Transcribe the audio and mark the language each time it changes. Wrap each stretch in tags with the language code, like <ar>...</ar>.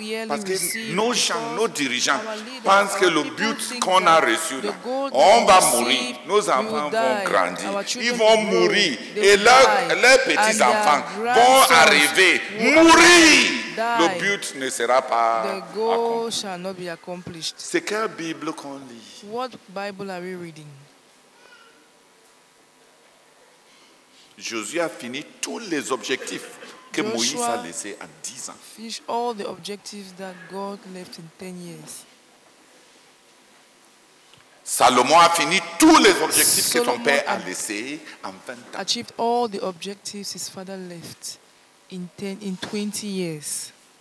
<fr>Parce que nos gens, nos dirigeants pensent que le but qu'on a reçu là, on va mourir, nos enfants vont grandir, ils vont mourir et leurs petits-enfants vont arriver, mourir. Le but ne sera pas accompli. C'est quelle Bible qu'on lit?</fr> <en>What Bible are we reading?</en> <fr>Josué a fini tous les objectifs que Moïse a laissés en 10 ans.</fr> <en>Finish all the objectives that God left in 10 years.</en> <fr>Salomon a fini tous les objectifs que son père a laissés en 20 ans.</fr> <en>Achieved all the objectives his father left in 20 years.</en>